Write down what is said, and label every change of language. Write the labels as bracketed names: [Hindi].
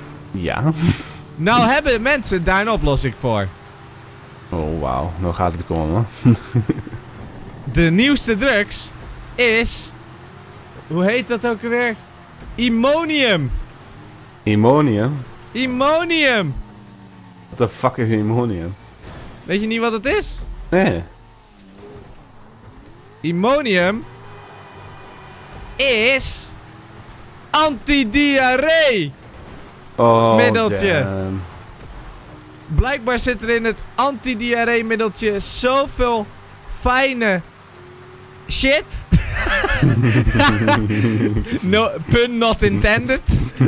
[Dutch] Ja. Nou hebben mensen daar een oplossing voor. Oh wauw, nou gaat het komen. De nieuwste drugs is, hoe heet dat ook alweer? Imonium. Imonium? Imonium! [English] What the fuck is imonium? [Dutch] Weet je niet wat het is? Nee. Imonium is antidiarree. Oh, middeltje. [English] Damn. [Dutch] Blijkbaar zit er in het antidiarree middeltje zoveel fijne shit. [English] No, pun not intended.